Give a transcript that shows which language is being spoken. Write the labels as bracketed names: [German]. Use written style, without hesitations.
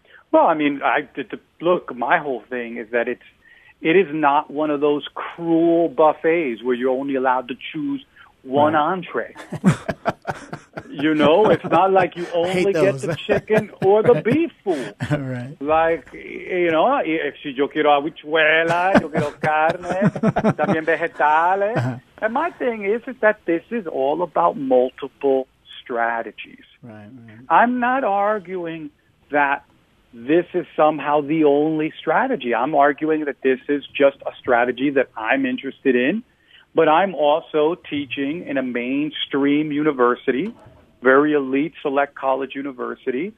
[English] Well, I mean, my whole thing is that it is not one of those cruel buffets where you're only allowed to choose one entree. You know, it's not like you only get the chicken or the beef food. Right. Like, you know, if [Spanish] yo quiero habichuela, yo quiero carne, también vegetales. [English] Uh-huh. And my thing is that this is all about multiple strategies. Right. I'm not arguing that this is somehow the only strategy. I'm arguing that this is just a strategy that I'm interested in. But I'm also teaching in a mainstream university, very elite select college university.